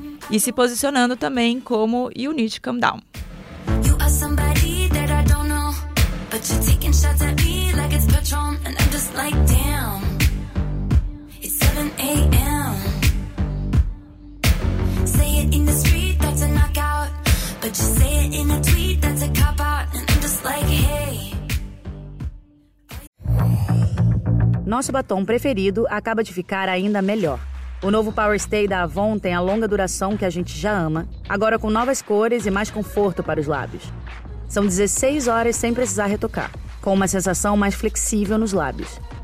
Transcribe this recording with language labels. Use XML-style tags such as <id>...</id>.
<pt>E se posicionando também como You Need to Come Down.</pt> <en>You are somebody that I don't know, but you're taking shots at me like it's Patron, and I'm just like, damn, it's 7 a.m. Say it in the street, that's a knockout, but you say it in a tweet, that's a cop out, and I'm just like, hey.</en> <pt>Nosso batom preferido acaba de ficar ainda melhor. O novo Power Stay da Avon tem a longa duração que a gente já ama, agora com novas cores e mais conforto para os lábios. São 16 horas sem precisar retocar, com uma sensação mais flexível nos lábios.</pt>